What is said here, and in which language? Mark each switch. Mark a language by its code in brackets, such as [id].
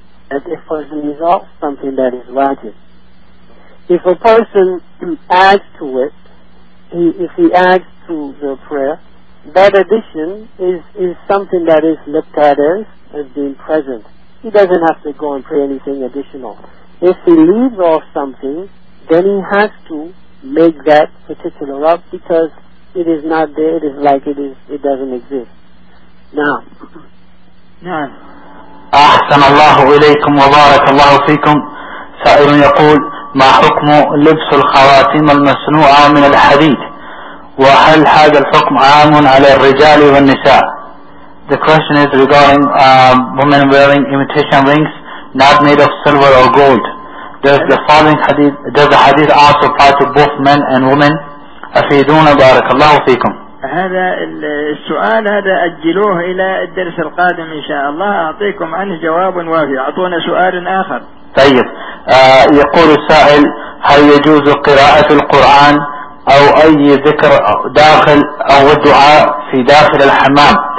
[en] And if a person leaves off something that is wajib. If a person adds to it, if he adds to the prayer, that addition is something that is looked at as being present. He doesn't have to go and pray anything additional. If he leaves off something, then he has to make that particular up because it is not there, it is like it is, it doesn't exist. Now, [ar] أحسن الله إليكم وبارك الله فيكم. سائل يقول: ما حكم لبس الخواتيم المصنوعة من الحديد؟ وهل هذا الحكم عام على الرجال والنساء؟ [en] The question is regarding women wearing imitation rings not made of silver or gold. Does the following hadith, does the hadith also apply to both men and women? [ar] أفيدونا بارك الله فيكم. هذا السؤال هذا أجلوه إلى الدرس القادم إن شاء الله أعطيكم عنه جواب وافي. أعطونا سؤال آخر. طيب يقول السائل: هل يجوز قراءة القرآن أو أي ذكر داخل أو الدعاء في داخل الحمام؟